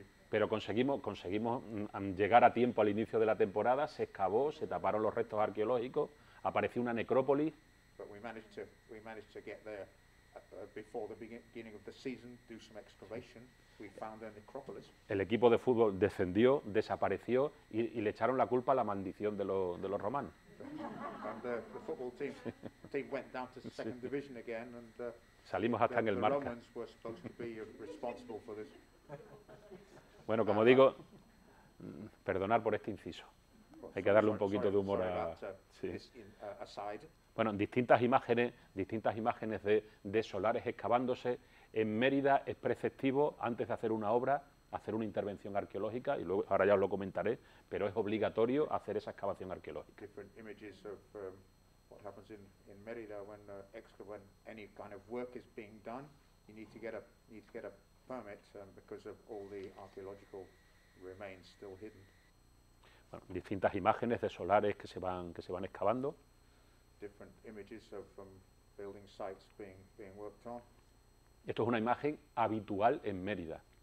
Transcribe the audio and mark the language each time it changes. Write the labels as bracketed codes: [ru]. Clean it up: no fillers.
[es] Pero conseguimos llegar a tiempo al inicio de la temporada, se excavó, se taparon los restos arqueológicos, apareció una necrópolis. [en] But we managed to get there before the beginning of the season, do some excavation. We found a necropolis. [es] El equipo de fútbol descendió, desapareció y le echaron la culpa a la maldición de los romanos. [en] And the football team went down to second division again, and [es] salimos hasta en el Marca. [en] The Romans were supposed to be responsible for this. [es] Bueno, como digo, perdonar por este inciso. Hay que darle un poquito de humor [en] aside. [es] Bueno, distintas imágenes de solares excavándose en Mérida. Es preceptivo, antes de hacer una obra, hacer una intervención arqueológica, y luego ahora ya os lo comentaré, pero es obligatorio hacer esa excavación arqueológica. [en] Different images of what happens in Mérida when any kind of work is being done, you need to get a permit because of all the archaeological remains still hidden. [es] Bueno, distintas imágenes de solares que se van excavando. [en] Different images of building sites being worked on. [es] Esto es una imagen habitual en Mérida.